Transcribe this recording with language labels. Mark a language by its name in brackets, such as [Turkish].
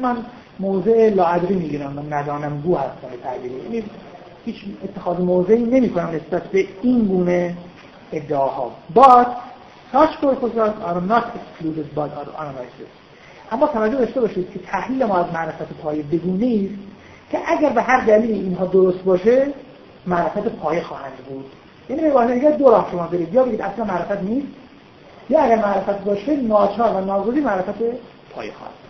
[Persian] من موضع لاعدری میگیرم، من ندانم گو هستم به تعبیری، یعنی هیچ اتخاذ موضعی نمی کنم نسبت به این گونه ادعاها. [English] But such purposes are not excluded but are analyzed. [Persian] اما توجه داشته باشید که تحلیل ما از معرفت پایه بگونه ایست که اگر به هر دلیل اینها درست باشه معرفت پایه خواهند بود. یعنی به واسه اینکه دو راه شما دارید، یا بگید اصلا معرفت نیست، یا اگر معرفت باشه ناچار و ناگزیر معرفت پایه خواهد.